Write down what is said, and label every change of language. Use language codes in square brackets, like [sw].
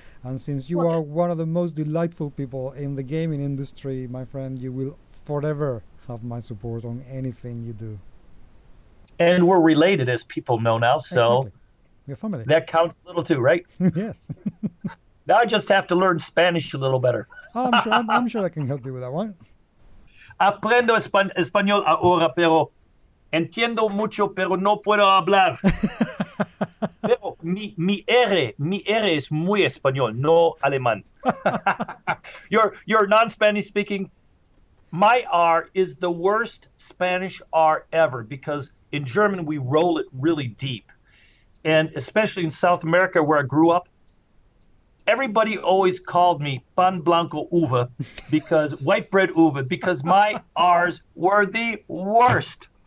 [en] And since you are one of the most delightful people in the gaming industry, my friend, you will forever have my support on anything you do. And we're related, as people know now. So exactly. Your family. That counts a little too, right? Yes. Now I just have to learn Spanish a little better. I'm sure I can help you with that one. [es] Aprendo español ahora, pero entiendo mucho, pero no puedo hablar. Pero mi R es muy español, no alemán. [en] your non-Spanish speaking, my R is the worst Spanish R ever, because in German we roll it really deep. And especially in South America where I grew up, everybody always called me Pan Blanco Uva, because white bread Uva, because my R's were the worst.